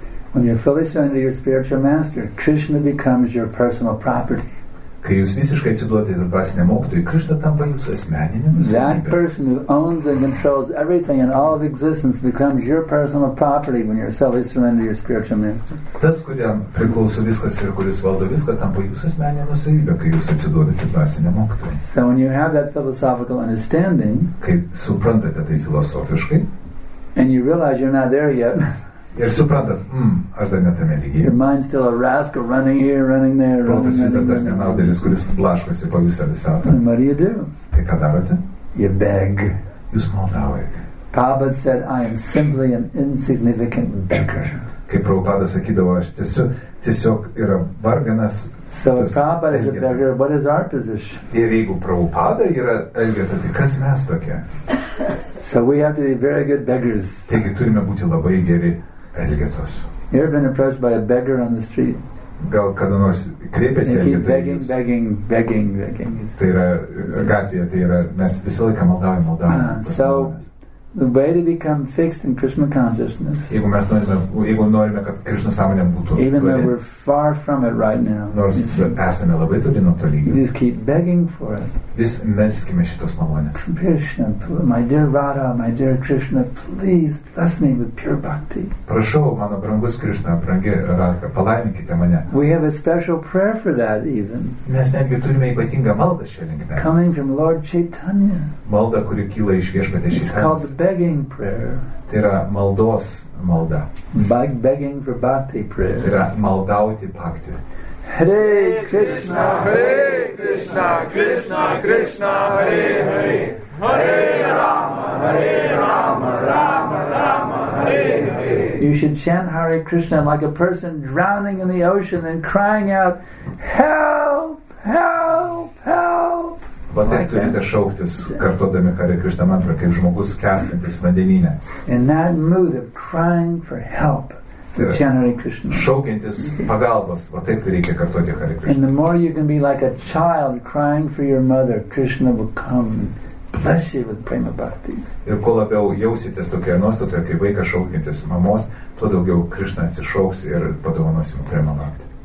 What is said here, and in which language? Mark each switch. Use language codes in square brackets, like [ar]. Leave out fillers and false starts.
[en] When you fully surrender your spiritual master, Krishna becomes your personal property. [lt] Kai jūs visiškai atsiduodate dvasiniam mokytojui, Krishna tampa jūsų asmeninėmis. [en] That person who owns and controls everything and all of existence becomes your personal property when you fully surrender your spiritual master. [lt] Tas, kuriam priklauso viskas ir kuris valdo viską, tampa jūsų asmeninėmis, kai jūs atsiduodate dvasiniam mokytojui. [en] So when you have that philosophical understanding, [lt] kai suprantate tai filosofiškai, [en] and you realize you're not there yet, [lt] ir suprantat, aš dar netame lygyje. [en] Your mind's still a rascal running here, running there, [lt] protas vis dar tas nenaudėlis, kuris blaškosi po visą visatą. [en] And what do you do? [lt] Tai ką darote? [en] You beg. [lt] Jūs maldaujate. [en] Prabhupada said, I am simply an insignificant beggar. [lt] Kaip Prabhupada sakydavo, aš tiesiog yra varganas. [en] So if Prabhupada is a beggar, what is our position? [lt] Ir jeigu Prabhupada yra elgeta, tai kas mes tokie? [en] So we have to be very good beggars. [lt] Taigi turime būti labai geri elgetos. [en] You ever been approached by a beggar on the street? [lt] Gal kada nors kreipėsi elgeta? [en] Begging, begging, begging, begging, begging. [lt] Tai yra gatvėje, tai yra mes visą laiką maldaujame, [en] So the way to become fixed in Krishna consciousness. [lt] Jeigu mes norime, kad Krishna sąmonė būtų. [en] Even though we're far from it right now. [lt] Nors esame labai toli nuo to lygio. [en] Just keep begging for it. [lt] Vis melskime šitos malonės. [en] Krishna, my dear Radha, my dear Krishna, please bless me with pure bhakti. [lt] Prašau, mano brangus Krishna, brangi Radha, palaiminkite mane. [en] We have a special prayer for that even. [lt] Mes netgi turime ypatingą maldą šia linkme. [en] Coming from Lord Chaitanya. [lt] Malda, kuri kyla iš viešpaties [en] Chaitanya. Begging prayer. [lt] Tai yra maldos malda. [en] Begging for bhakti prayer. [lt] Tai yra maldauti bhakti. [sa] Hare Krishna, Hare Krishna, Krishna Krishna, Hare Hare. Hare Rama, Hare Rama, Rama Rama, Hare Hare. [en] You should chant Hare Krishna like a person drowning in the ocean and crying out, help, help, help. [lt] Va tai turite šauktis, kartodami Hare Krishna mantrą, kaip žmogus skęstantis vandenyne. [en] In that mood of crying for help, generally Krishna. [lt] Šaukiantis pagalbos, va taip reikia kartoti Hare Krishna. [en] And the more you can be like a child crying for your mother, Krishna will come and bless you with prema bhakti. [lt] Ir kuo labiau jausitės tokioje nuostatoje, kaip vaikas šaukiantis mamos, tuo daugiau Krishna atsišauks ir padovanos jums prema bhakti.